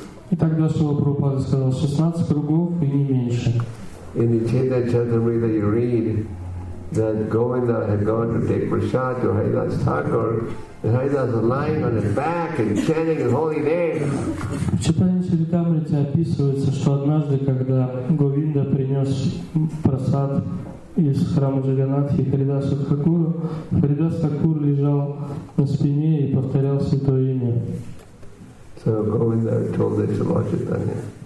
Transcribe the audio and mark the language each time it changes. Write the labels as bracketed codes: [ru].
[ru] И тогда Шрила Прабхупада сказал: 16 кругов и не меньше. [en] In the Chaitanya Charitamrita you read that Govinda had gone to take prasad to Haridas Thakur, and Haridas was lying on his back and chanting his holy name. [ru] В Читании Чаритамрите описывается, что однажды, когда Говинда принес прасад из храма Джаганатхи Харидасу Такуру, Харидас Такур лежал на спине и повторял святое имя. [en] So Govinda told this to Lord Chaitanya.